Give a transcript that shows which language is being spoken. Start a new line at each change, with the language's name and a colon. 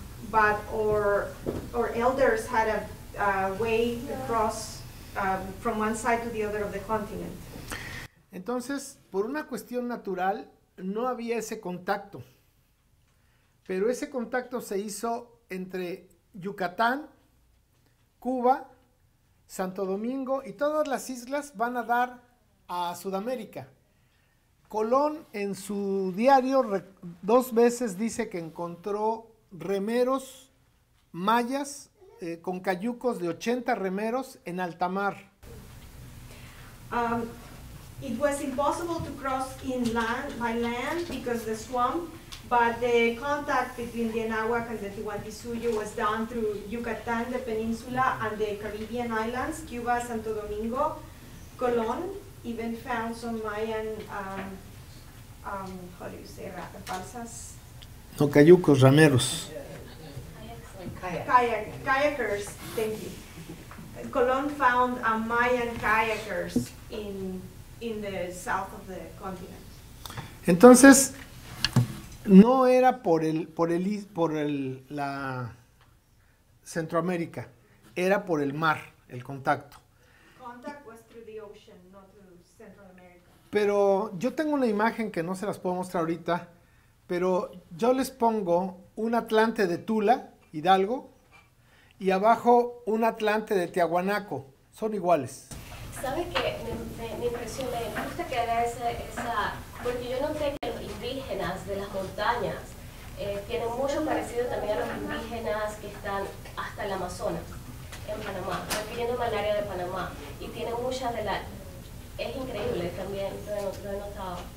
English: But our elders had a way across from one side to the other of the continent.
Spanish: Entonces, por una cuestión natural, no había ese contacto. Pero ese contacto se hizo entre Yucatán, Cuba, Santo Domingo y todas las islas van a dar a Sudamérica. Colón en su diario dos veces dice que encontró remeros mayas con cayucos de 80 remeros en alta mar.
English: It was impossible to cross inland by land because the swamp, but the contact between the Anahuac and the Tihuantisuyo was done through Yucatán, the peninsula, and the Caribbean islands, Cuba, Santo Domingo. Colón even found some Mayan, how do you say, balsas?
Spanish: No, cayucos, rameros.
English: Kayakers, thank you. Colón found a Mayan kayakers in the south of the continent.
Spanish: Entonces, no era por la Centroamérica, era por el mar, el contacto.
English: Contact was through the ocean, not through Central America.
Spanish: Pero yo tengo una imagen que no se las puedo mostrar ahorita, pero yo les pongo un atlante de Tula, Hidalgo, y abajo un atlante de Tiahuanaco, son iguales. ¿Sabe qué? Me impresiona, me gusta que haga esa, porque yo noté que los indígenas de las montañas tienen mucho parecido también a los indígenas que están hasta el Amazonas, en Panamá, refiriéndome al área de Panamá, y tienen muchas de las, es increíble también, lo he notado.